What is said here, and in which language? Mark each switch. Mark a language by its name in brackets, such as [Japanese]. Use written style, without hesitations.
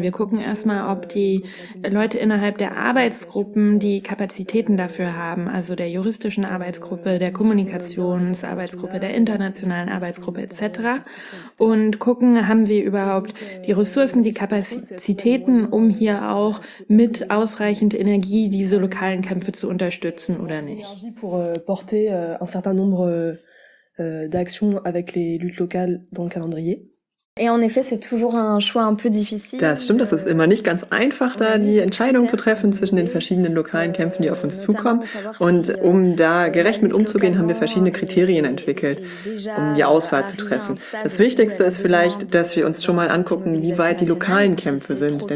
[German] Wir gucken erstmal, ob die Leute innerhalb der Arbeitsgruppen die Kapazitäten dafür haben, also der juristischen Arbeitsgruppe, der Kommunikationsarbeitsgruppe, der internationalen Arbeitsgruppe etc. Und gucken, haben wir überhaupt die Ressourcen, die Kapazitäten, um hier auch mit ausreichend Energie, diese lokalen Kämpfe zu unterstützen oder nicht. [French] Pour porter un certain nombre d'actions avec les luttes locales dans le calendrier. Et en effet, c'est toujours un choix un peu difficile. [German] Das stimmt, das ist immer nicht ganz einfach, da die Entscheidung zu treffen zwischen den verschiedenen lokalen Kämpfen, die auf uns zukommen. Und um da gerecht mit umzugehen, haben wir verschiedene Kriterien entwickelt, um die Auswahl zu treffen. Das Wichtigste ist vielleicht, dass wir uns schon mal angucken, wie weit die lokalen Kämpfe sind.